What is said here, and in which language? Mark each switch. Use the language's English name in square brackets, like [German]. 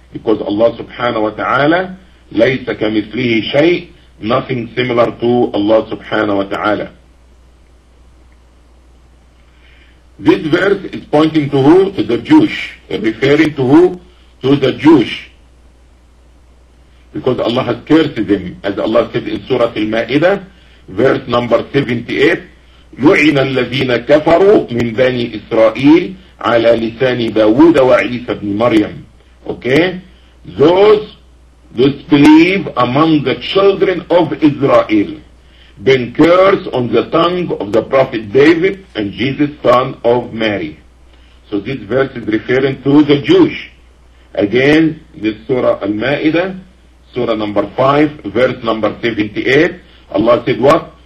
[English] Because Allah subhanahu wa ta'ala, [Arabic] لَيْسَ كَمِثْلِهِ شَيْءٍ, [English] nothing similar to Allah subhanahu wa ta'ala. This verse is pointing to who? To the Jewish. Referring to who? To the Jewish. Because Allah has cursed them. As Allah said in Surah Al-Ma'idah, verse number 78, [Arabic] لُعِنَ الَّذِينَ كَفَرُوا مِنْ بَنِي إِسْرَائِيلِ عَلَى لِسَانِ دَاوُودَ وَعِيسَ بْنِ مَرْيَمِ. [English] Okay? Those disbelieve among the children of Israel, been cursed on the tongue of the Prophet David and Jesus, son of Mary. So this verse is referring to the Jewish. Again, this Surah Al-Ma'idah, Surah number 5, verse number 78, Allah said what?